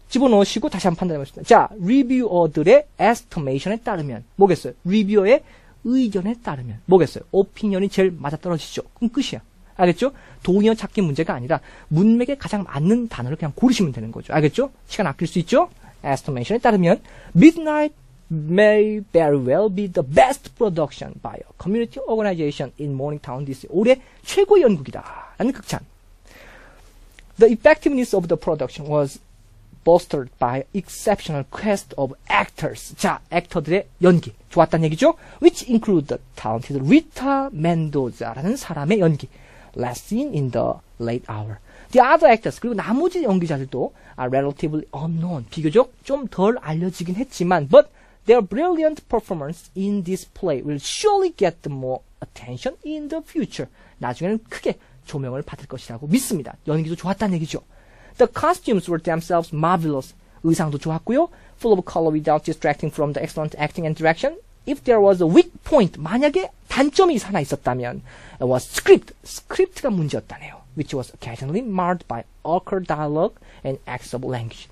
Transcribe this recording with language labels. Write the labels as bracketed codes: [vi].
[ko] 집어넣으시고 다시 한번 판단해보십시오. 자 reviewer들의 estimation에 따르면 뭐겠어요? reviewer의 의견에 따르면 뭐겠어요? opinion이 제일 맞아떨어지죠. 그럼 끝이야. 알겠죠? 동의어 찾기 문제가 아니라 문맥에 가장 맞는 단어를 그냥 고르시면 되는 거죠. 알겠죠? 시간 아낄 수 있죠? [en] estimation에 따르면 midnight may very well be the best production by a community organization in Morningtown this year. [ko] 올해 최고의 연극이다. 라는 극찬. [en] The effectiveness of the production was bolstered by exceptional cast of actors. [ko] 자, 액터들의 연기. 좋았단 얘기죠? [en] Which include the talented [ko] Rita Mendoza라는 사람의 연기. [en] Last seen in the late hour. The other actors, [ko] 그리고 나머지 연기자들도 [en] are relatively unknown. [ko] 비교적 좀 덜 알려지긴 했지만, [en] but Their brilliant performance in this play will surely get more attention in the future. [ko] 나중에는 크게 조명을 받을 것이라고 믿습니다. 연기도 좋았다는 얘기죠. [en] The costumes were themselves marvelous. [ko] 의상도 좋았고요. [en] Full of color without distracting from the excellent acting and direction. If there was a weak point, [ko] 만약에 단점이 하나 있었다면, [en] it was script. [ko] script가 문제였다네요. [en] which was occasionally marred by awkward dialogue and acts of language.